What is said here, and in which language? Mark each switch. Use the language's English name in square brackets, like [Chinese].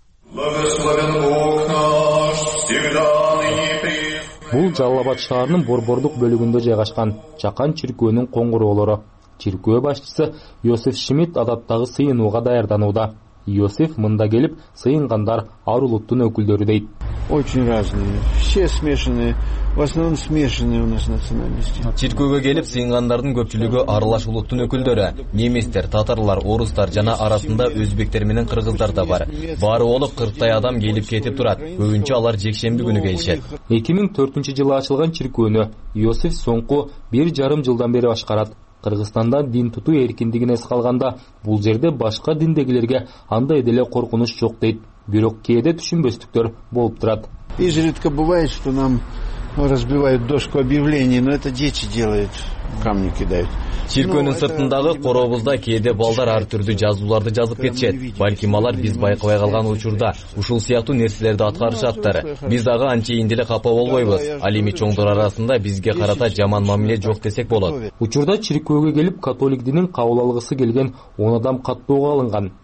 [Kyrgyz] Бул Жалал Абад шаарынын борбордук бөлүгүндө жайгашкан Чакан чиркөөнүн коңгуроолору. Чиркөө башчысы Йосиф Шмидт адаттагы сыйынууга даярданууда. Йосиф мында келип сыйынгандар ар улуттун өкүлдөрү дейт. [Russian] Очень разные, все смешанные, в основном смешанные у нас национальности. [Kyrgyz] Чиркөөгө келип сыйынгандардын көпчүлүгү аралаш улуттун өкүлдөрү. Немистер, татарлар, орустар жана арасында өзбектер менен кыргыздар да бар. Баары болуп 40 адам келип кетип турат. Көбүнчө алар жекшемби күнү келишет. 2004 жылы ачылган чиркөөнү Йосиф соңку 1.5 жылдан бери башкарат. Кыргызстанда дин тутуу эркиндигин эс калганда, бул жерде башка диндегилерге андай деле коркунуч жок дейт. Бирок кээде түшүнбөстүктөр болуп турат. [Russian] Изредка бывает, что нам разбивают дошку объявлений, но это дети делают. Камни кидают. [Kyrgyz] Чиркөөнүн сыртындагы корообузда кээде балдар ар түрдүү жазууларды жазып кетишет. Балким алар биз байкабай калган учурда ушул сыяктуу нерселерди аткарышаттыр. Биз дагы анчейин деле капа болбойбуз. Ал эми чоңдор арасында бизге карата жаман мамиле жок десек болот. Учурда чиркөөгө келип католик динин кабыл алгысы келген 10 адам каттоого алынган.